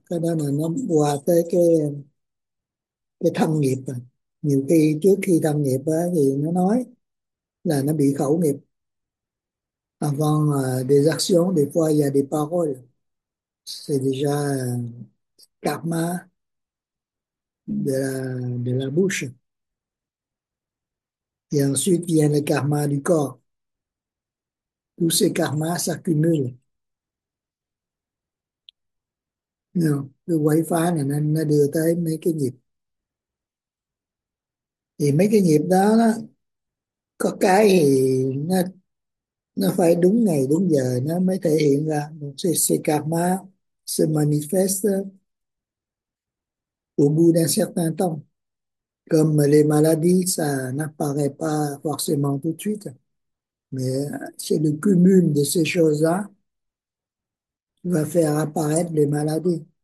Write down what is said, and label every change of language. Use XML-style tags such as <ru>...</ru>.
<vi>Cái đó là nó qua tới cái thân nghiệp rồi. Nhiều khi trước khi tâm nghiệp á, thì nó nói là nó bị khẩu nghiệp.</vi> <fr>Avant des actions, des fois il y a des paroles. C'est déjà karma de la bouche. Et ensuite vient le karma du corps. Tous ces karmas s'accumulent.</fr> <vi>Le quậy phá này nó đưa tới mấy cái nghiệp. Thì mấy cái nghiệp đó, đó có cái thì nó phải đúng ngày đúng giờ nó mới thể hiện ra một sự karma, sự manifest của bu</vi> <fr>d'un certain temps comme les maladies</fr> <vi>ça n'apparaît pas forcément tout de suite mais c'est le cumul de ces choses-là qui va faire apparaître les maladies.</vi>